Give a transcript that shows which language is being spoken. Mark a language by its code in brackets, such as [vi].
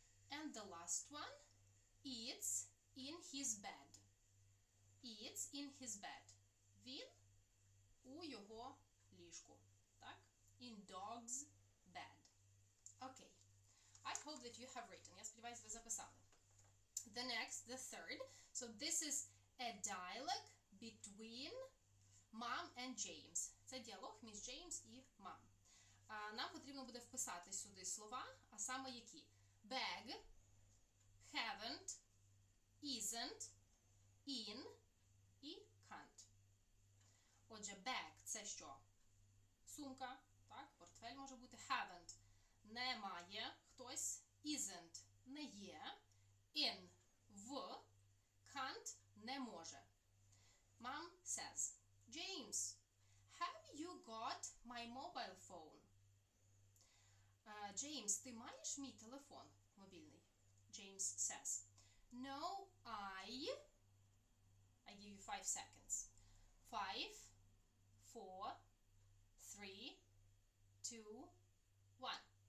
[en] And the last one. It's in his bed. It's in his bed. [uk] Він у його ліжку. Так? [en] In dog's bed. Okay. I hope that you have written. [uk] Я сподіваюся, ви записали. [en] The next, the third. So, this is a dialogue between mom and James. [uk] Це діалог між James і мам. Нам потрібно буде вписати сюди слова, а саме які? [en] Bag, haven't, isn't, in і can't. [uk] Отже, bag – це що? Сумка, так? Портфель може бути. Haven't – немає хтось. Isn't – не є. In – в. Can't – не може. [en] Mom says, James, have you got my mobile phone? [uk] James, ти маєш мій телефон мобільний? [en] James says, no, I give you 5 seconds. Five, four, three, two, one.